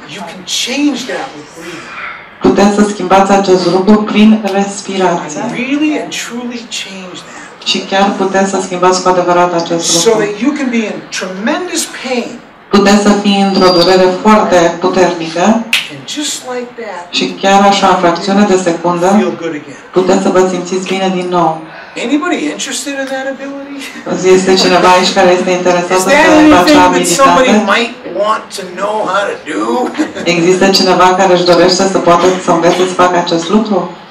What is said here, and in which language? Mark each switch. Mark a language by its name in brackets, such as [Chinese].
[English] You can change that with breathing. [Romanian] Puteți să schimbați acest lucru prin respirație. [English] Really and truly change that. [Romanian] Și chiar puteți să schimbați cu adevărat acest lucru. [English] So that you can be in tremendous pain. [Romanian] Puteți să fii într-o durere foarte puternică. [English] And just like that, [Romanian] și chiar așa, în fracțiune de secundă, puteți să vă simțiți bine din nou. [English] Anybody interested in that ability? [Romanian] Este cineva aici care este interesat să aibă acea abilitate? Există cineva care își dorește să poată să învețe să facă acest lucru?